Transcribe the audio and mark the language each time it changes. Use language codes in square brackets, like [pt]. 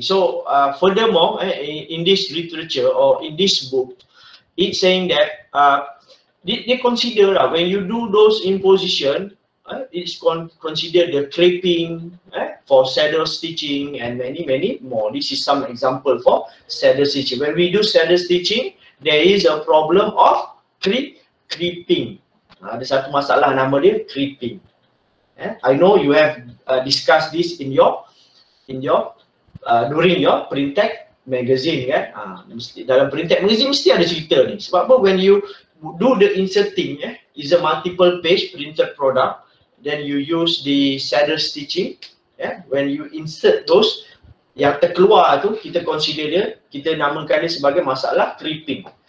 [en] So furthermore, in this literature or in this book, it's saying that they consider when you do those imposition, it's considered the creeping, for saddle stitching and many more. This is some example for saddle stitching. When we do saddle stitching, there is a problem of creeping. [ms] Ada satu masalah, nama dia creeping. [en] I know you have discussed this during your Printtech magazine, [ms] dalam Printtech magazine mesti ada cerita ni. Sebab apa? [en] When you do the inserting, is a multiple page printed product, then you use the saddle stitching, when you insert those [ms] yang terkeluar tu, kita consider dia, kita namakan dia sebagai masalah creeping.